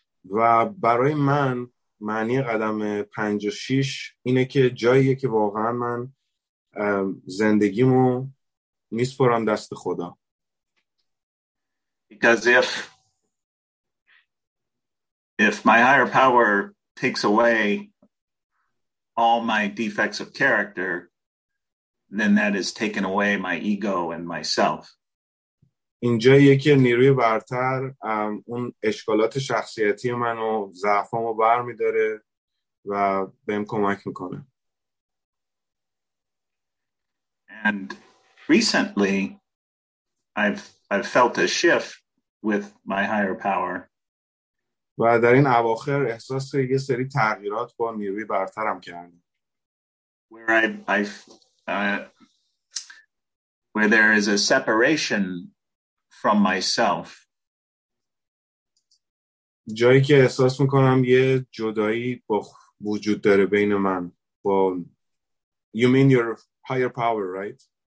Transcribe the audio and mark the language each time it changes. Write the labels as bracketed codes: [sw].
[fa] و برای من معنی قدم پنج و شیش اینه که جاییه که واقعا من زندگیمو میسپرم دست خدا. [en] Because if my higher power takes away all my defects of character, then that is taken away my ego and myself. [fa] اینجا یکی نیروی برتر اون اشکالات شخصیتی من و ضعفام رو برمیداره و بهم کمک میکنه. [en] And recently I've felt a shift with my higher power. [fa] و در این اواخر احساس یه سری تغییرات با نیروی برترم کردم. [en] Where where there is a separation from myself. [fa] جایی که احساس میکنم یه جدایی با وجود داره بین من با. [en] You mean your higher power, right?